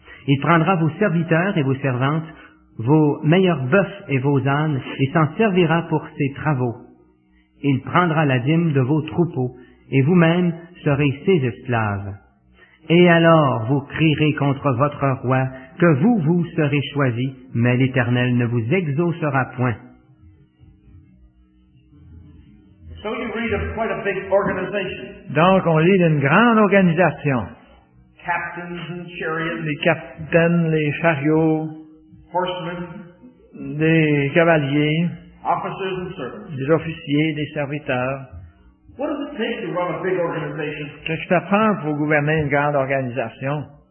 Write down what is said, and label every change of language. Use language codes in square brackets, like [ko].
[fr] Il prendra vos serviteurs et vos servantes, vos meilleurs bœufs et vos ânes, et s'en servira pour ses travaux. Il prendra la dîme de vos troupeaux, et vous-même serez ses esclaves. Et alors vous crierez contre votre roi, que vous vous serez choisis, mais l'Éternel ne vous exaucera point. [en] So you read of quite a big organization. [fr] Donc on lit d'une grande organisation. [en] Captains and chariots. [fr] Les capitaines, les chariots. [en] Horsemen, [fr] des cavaliers, [en] officers and servants. [fr] Des officiers, des serviteurs. [en] What does it take to run a big organization? [fr] Qu'est-ce que ça prend pour gouverner une grande organisation?